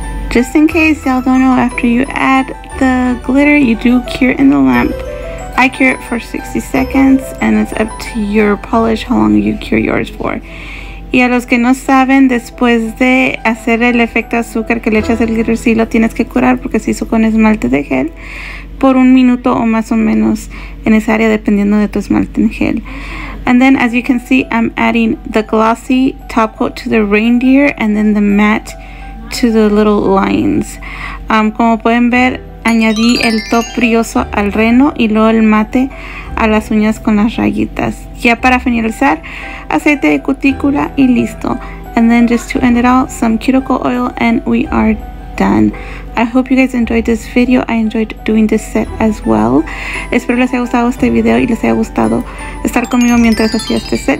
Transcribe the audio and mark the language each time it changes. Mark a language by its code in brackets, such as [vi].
[en] Just in case y'all don't know, after you add the glitter, you do cure in the lamp. I cure it for 60 seconds, and it's up to your polish how long you cure yours for. [es] Y a los que no saben, después de hacer el efecto azúcar que le echas el glitter, sí lo tienes que curar porque se hizo con esmalte de gel por un minuto o más o menos en esa área, dependiendo de tu esmalte en gel. [en] And then, as you can see, I'm adding the glossy top coat to the reindeer and then the matte to the little lines. [es] Como pueden ver, añadí el top brilloso al reno y luego el mate a las uñas con las rayitas. Ya para finalizar, aceite de cutícula y listo. [en] And then just to end it all, some cuticle oil and we are done. I hope you guys enjoyed this video. I enjoyed doing this set as well. [es] Espero les haya gustado este video y les haya gustado estar conmigo mientras hacía este set.